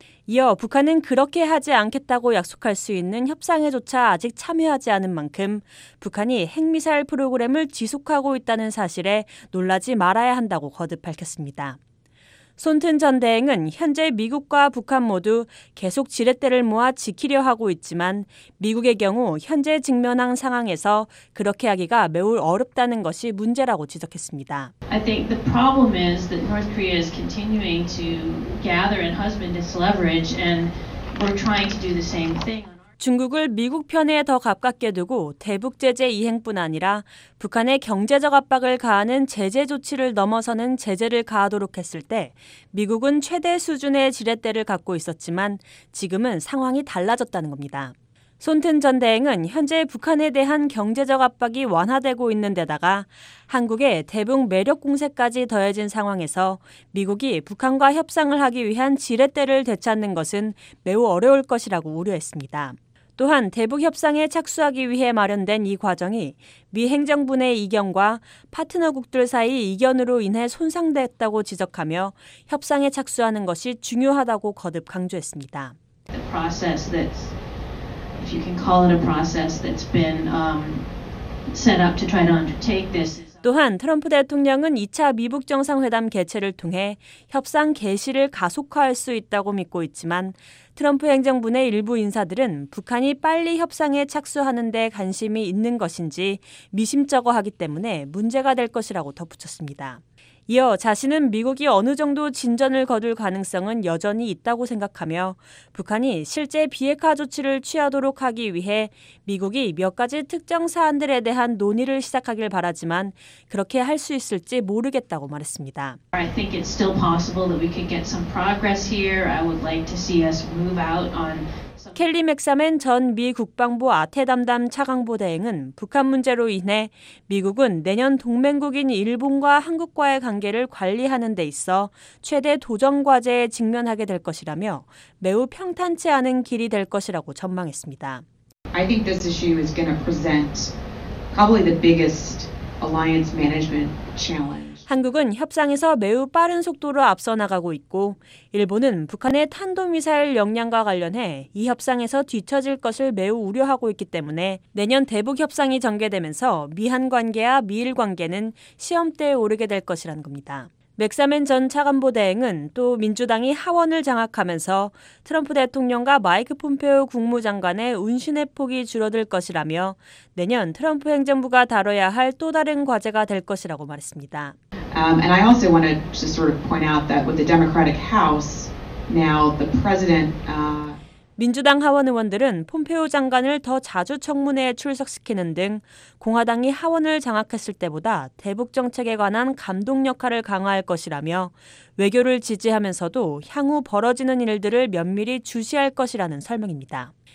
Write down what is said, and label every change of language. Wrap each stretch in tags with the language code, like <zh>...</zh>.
<ko>이어 북한은 그렇게 하지 않겠다고 약속할 수 있는 협상에조차 아직 참여하지 않은 만큼 북한이 핵미사일 프로그램을 지속하고 있다는 사실에 놀라지 말아야 한다고 거듭 밝혔습니다. 손튼 전 대행은 현재 미국과 북한 모두 계속 지렛대를 모아 지키려 하고 있지만 미국의 경우 현재 직면한 상황에서 그렇게 하기가 매우 어렵다는 것이 문제라고 지적했습니다.</ko> <en>I think the problem is that North Korea is continuing to gather and husband its leverage and we're trying to do the same thing.</en> <ko>중국을 미국 편에 더 가깝게 두고 대북 제재 이행뿐 아니라 북한의 경제적 압박을 가하는 제재 조치를 넘어서는 제재를 가하도록 했을 때 미국은 최대 수준의 지렛대를 갖고 있었지만 지금은 상황이 달라졌다는 겁니다. 손튼 전 대행은 현재 북한에 대한 경제적 압박이 완화되고 있는 데다가 한국의 대북 매력 공세까지 더해진 상황에서 미국이 북한과 협상을 하기 위한 지렛대를 되찾는 것은 매우 어려울 것이라고 우려했습니다. 또한 대북 협상에 착수하기 위해 마련된 이 과정이 미 행정부 내 이견과 파트너국들 사이 이견으로 인해 손상됐다고 지적하며 협상에 착수하는 것이 중요하다고 거듭 강조했습니다.</ko> <en>The process that's, if you can call it a process that's been set up to try to undertake this.</en> <ko>또한 트럼프 대통령은 2차 미북 정상회담 개최를 통해 협상 개시를 가속화할 수 있다고 믿고 있지만 트럼프 행정부 내 일부 인사들은 북한이 빨리 협상에 착수하는 데 관심이 있는 것인지 미심쩍어하기 때문에 문제가 될 것이라고 덧붙였습니다. 이어 자신은 미국이 어느 정도 진전을 거둘 가능성은 여전히 있다고 생각하며 북한이 실제 비핵화 조치를 취하도록 하기 위해 미국이 몇 가지 특정 사안들에 대한 논의를 시작하길 바라지만 그렇게 할 수 있을지 모르겠다고 말했습니다.</ko> <en>I think it's still possible that we could get some progress here. I would like to see us move out on</en> <ko>켈리 맥사멘 전 미 국방부 아태 담당 차강보 대행은 북한 문제로 인해 미국은 내년 동맹국인 일본과 한국과의 관계를 관리하는 데 있어 최대 도전과제에 직면하게 될 것이라며 매우 평탄치 않은 길이 될 것이라고 전망했습니다.</ko> <en>I think this issue is going to present probably the biggest alliance management challenge.</en> <ko>한국은 협상에서 매우 빠른 속도로 앞서 나가고 있고 일본은 북한의 탄도미사일 역량과 관련해 이 협상에서 뒤처질 것을 매우 우려하고 있기 때문에 내년 대북 협상이 전개되면서 미한 관계와 미일 관계는 시험대에 오르게 될 것이라는 겁니다. 맥사멘 전 차관보 대행은 또 민주당이 하원을 장악하면서 트럼프 대통령과 마이크 폼페오 국무장관의 운신의 폭이 줄어들 것이라며 내년 트럼프 행정부가 다뤄야 할 또 다른 과제가 될 것이라고 말했습니다.</ko> <en>And I also want to just sort of point out that with the Democratic House now the president</en> <ko>민주당 하원 의원들은 폼페오 장관을 더 자주 청문회에 출석시키는 등 공화당이 하원을 장악했을 때보다 대북 정책에 관한 감독 역할을 강화할 것이라며 외교를 지지하면서도 향후 벌어지는 일들을 면밀히 주시할 것이라는 설명입니다.</ko>